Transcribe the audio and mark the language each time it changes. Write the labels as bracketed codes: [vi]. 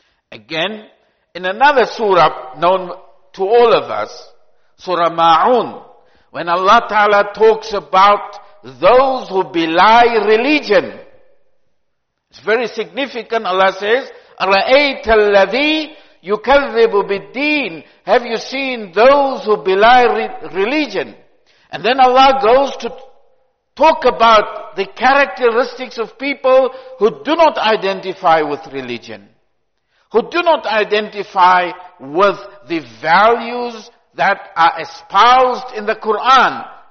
[en] Again, in another surah known to all of us, Surah Ma'un, when Allah Ta'ala talks about those who belie religion, it's very significant. Allah says, [ar] أَرَأَيْتَ الَّذِي يُكَذِّبُ بِالدِّينِ. [en] Have you seen those who belie religion? And then Allah goes to talk about the characteristics of people who do not identify with religion, who do not identify with the values that are espoused in the Quran.